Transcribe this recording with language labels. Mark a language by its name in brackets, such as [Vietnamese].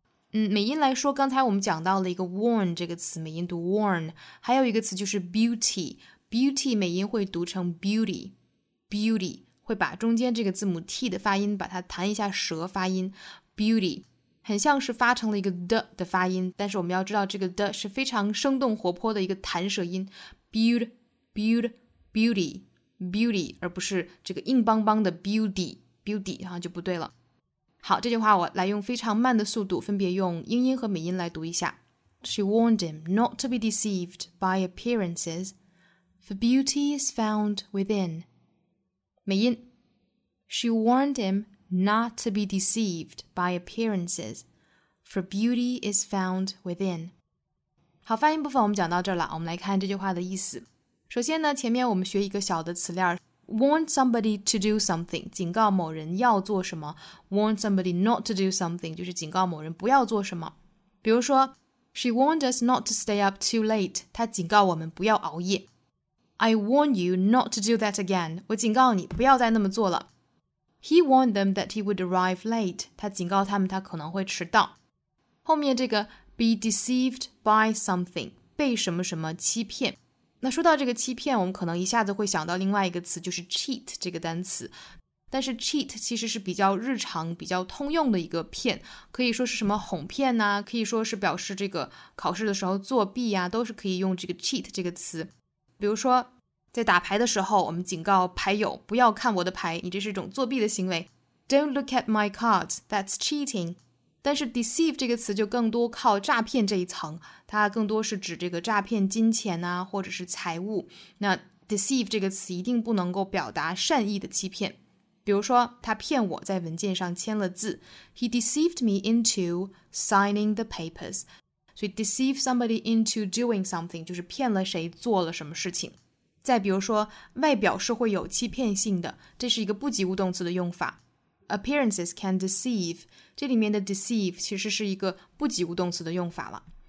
[Chinese] 美音来说，刚才我们讲到了一个 warn 这个词，美音读 warn， 还有一个词就是 beauty 美音会读成 beauty 会把中间这个字母 t 的发音把它弹一下舌发音， beauty 很像是发成了一个 d 的发音，但是我们要知道这个 d 是非常生动活泼的一个弹舌音， beauty 而不是这个硬邦邦的 beauty 然后就不对了。好，这句话我来用非常慢的速度分别用英音和美音来读一下。 [English] She warned him not to be deceived by appearances, for beauty is found within. [Chinese] 美音。 [English] She warned him not to be deceived by appearances, for beauty is found within. [Chinese] 好，发音部分我们讲到这儿了，我们来看这句话的意思。首先呢，前面我们学一个小的词链， [English] Warn somebody to do something, [Chinese] 警告某人要做什么。 [English] Warn somebody not to do something, [Chinese] 就是警告某人不要做什么。比如说 [English] She warned us not to stay up too late, [Chinese] 她警告我们不要熬夜。 [English] I warn you not to do that again, [Chinese] 我警告你不要再那么做了。 [English] He warned them that he would arrive late, [Chinese] 他警告他们他可能会迟到。后面这个 [English] be deceived by something, [Chinese] 被什么什么欺骗。那说到这个欺骗，我们可能一下子会想到另外一个词，就是 cheat 这个单词。但是 cheat 其实是比较日常比较通用的一个骗，可以说是什么哄骗啊，可以说是表示这个考试的时候作弊啊，都是可以用这个 cheat 这个词。比如说在打牌的时候，我们警告牌友不要看我的牌，你这是一种作弊的行为。 [English] Don't look at my cards, that's cheating. [Chinese] 但是 deceive 这个词就更多靠诈骗这一层，它更多是指这个诈骗金钱啊，或者是财务。那 deceive 这个词一定不能够表达善意的欺骗。比如说他骗我在文件上签了字。 [English] He deceived me into signing the papers. [Chinese] 所以 [English] deceive somebody into doing something, [Chinese] 就是骗了谁做了什么事情。再比如说外表是会有欺骗性的，这是一个不及物动词的用法。 [English] Appearances can deceive, [Chinese] 这里面的 deceive 其实是一个不及物动词的用法了。